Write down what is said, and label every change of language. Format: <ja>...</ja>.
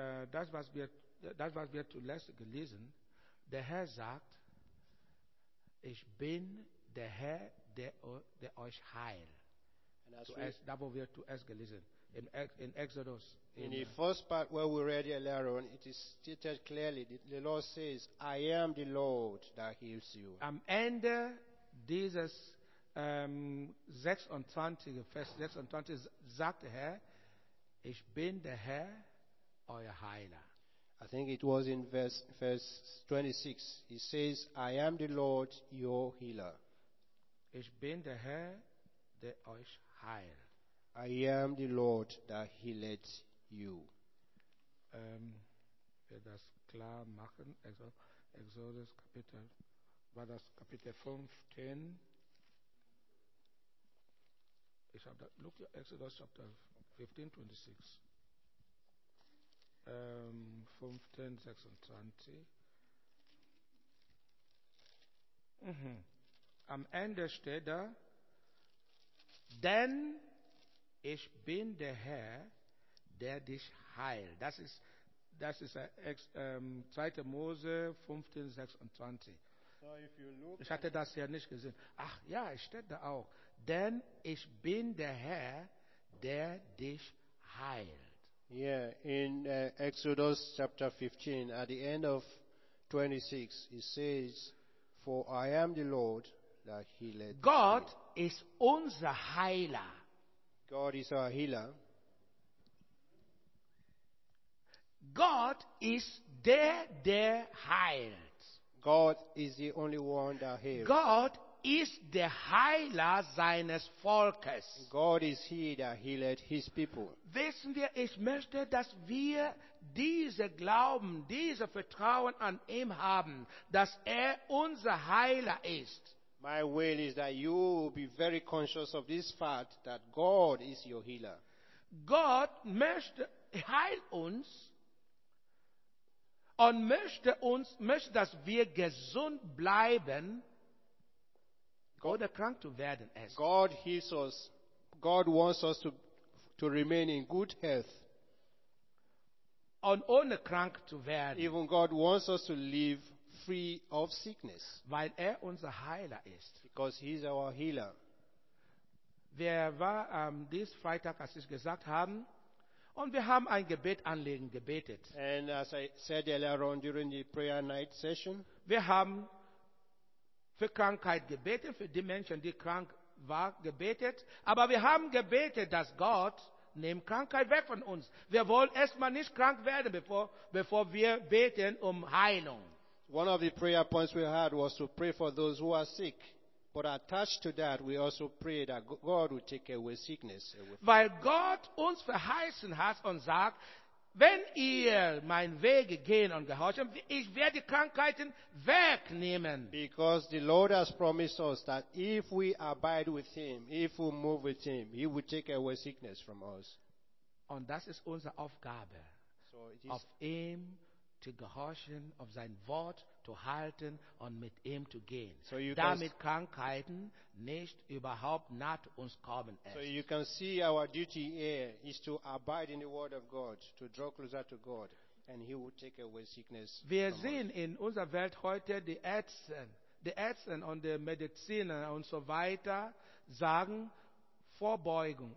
<de>Das, was wir zuletzt gelesen, der Herr sagt, ich bin der Herr, der euch heilt. Das, was wir zuerst gelesen in Exodus.</de> <en>In the first part where we read earlier on, it is stated clearly, the Lord says, I am the Lord that heals you.</en> <de>Am Ende dieses 26, Vers 26, sagt der Herr, ich bin der Herr, euer Heiler.</de> <en>I think it was in verse 26. He says, I am the Lord, your healer.</en> <de>Ich bin der Herr, der euch heilt.</de> <en>I am the Lord that healed you.</en> <de>Wir das klar machen. Exodus Kapitel, war das Kapitel 15? Ich habe das,</de> <en>look at Exodus chapter 15, 26. 15, 26. Mhm.</en> <de>Am Ende steht da, denn ich bin der Herr, der dich heilt. Das ist 2. Mose 15, 26. Ich hatte das ja nicht gesehen. Ach ja, ich stehe da auch. Denn ich bin der Herr, der dich heilt.</de> <en>Yeah, in Exodus chapter 15, at the end of 26, it says, for I am the Lord that healeth. God is</en> <de>unser Heiler.</de> <en>God is our healer. God is there, there heilt. God is the only one that heals. God is the healer</en> <de>seines Volkes.</de> <en>God is he that healed his people.</en> <de>Wissen wir, ich möchte, dass wir diese Glauben, diese Vertrauen an ihm haben, dass er unser Heiler ist.</de> <en>My will is that you will be very conscious of this fact that God is your healer.</en> <de>God möchte heil uns. Und möchte, dass wir gesund bleiben, God, oder krank zu werden. Es.</de> <en>God heals us. God wants us to remain in good health.</en> <de>Und ohne krank zu werden.</de> <en>Even God wants us to live free of sickness.</en> <de>Weil er unser Heiler ist.</de> <en>Because he is our healer.</en> <de>Wir waren diesen Freitag, als ich gesagt habe, und wir haben ein Gebet anlegen gebetet.</de> <en>And as I said earlier on during the prayer night session,</en> <de>wir haben für Krankheit gebetet, für die Menschen, die krank waren, gebetet. Aber wir haben gebetet, dass Gott nimmt Krankheit weg von uns. Wir wollen erstmal nicht krank werden, bevor wir beten um Heilung.</de> <en>One of the prayer points we had was to pray for those who are sick. But attached to that, we also pray that God will take away sickness.</en> <de>Weil Gott uns verheißen hat und sagt, wenn ihr meinen Weg gehen und gehorchen, ich werde die Krankheiten wegnehmen.</de> <en>Because the Lord has promised us that if we abide with him, if we move with him, he will take away sickness from us.</en> <de>Und das ist unsere Aufgabe,</de> <en>so it is</en> <de>auf ihm zu gehorchen, auf sein Wort zu halten und mit ihm zu gehen,</de> <en>so</en> <de>damit Krankheiten nicht überhaupt nach uns kommen.</de> <en>So you can see our duty here is to abide in the word of God, to draw closer to God, and he will take away sickness.</en> <de>Wir sehen in unserer Welt heute die Ärzte und die Mediziner und so weiter sagen Vorbeugung.</de>